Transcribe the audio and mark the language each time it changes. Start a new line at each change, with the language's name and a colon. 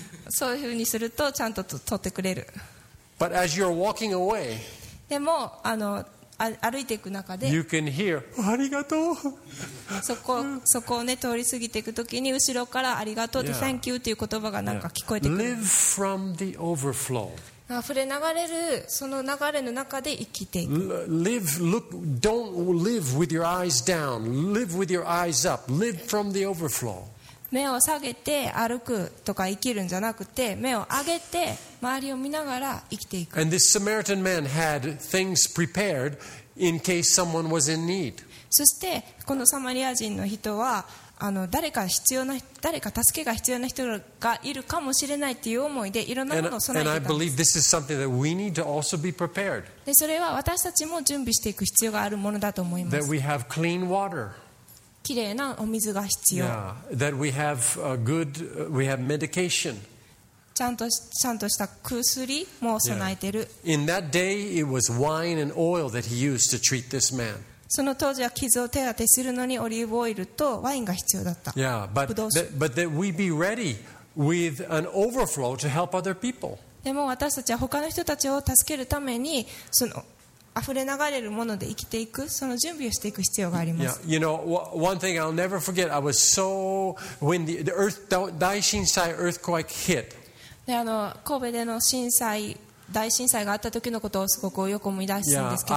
Japanese: そういうふうにするとちゃんと取ってくれる。
English: But as you're walking away,
Japanese: でも歩いていく中で、
English: you can hear,
Japanese: ありがとう。そこをね通り過ぎていくときに後ろからありがとうと、
English: yeah. thank you
Japanese: という言葉がなんか聞こえてくる。
English: Yeah. Live from the overflow.
Japanese: 溢れ流れるその流れの中で生きていく。
English: Live, look, don't live with your eyes down. Live with your eyes up. Live from the overflow.
Japanese: 目を下げて歩くとか生きるんじゃなくて、目を上げて周りを見ながら生きていく。
English: And this Samaritan man had things prepared in case someone was in need.
Japanese: そしてこのサマリア人の人は誰か助けが必要な人がいるかもしれないっていう思いでいろんなものを備えてたんです。
English: And I believe this is something that we need to also be prepared.
Japanese: でそれは私たちも準備していく必要があるものだと思います。
English: That we have clean water.
Japanese: きれいなお水が必要。
English: Yeah. That we have a good, we have medication.
Japanese: ちゃんとした薬も備えてる。
English: Yeah. In that day, it was wine and oil that he used to treat this man.
Japanese: その当時は傷を手当てするのにオリーブオイルとワインが必要だった。
English: Yeah, but that we be ready with an overflow to help other people.
Japanese: でも私たちは他の人たちを助けるためにその溢れ流れるもので生きていく、その準備をしていく必要があります。
English: Yeah, you know, one thing I'll never forget. I was so when the earth 大震災 earthquake hit.
Japanese: で神戸での震災。大震災があった時のことをすごくよく思い出すんですけど、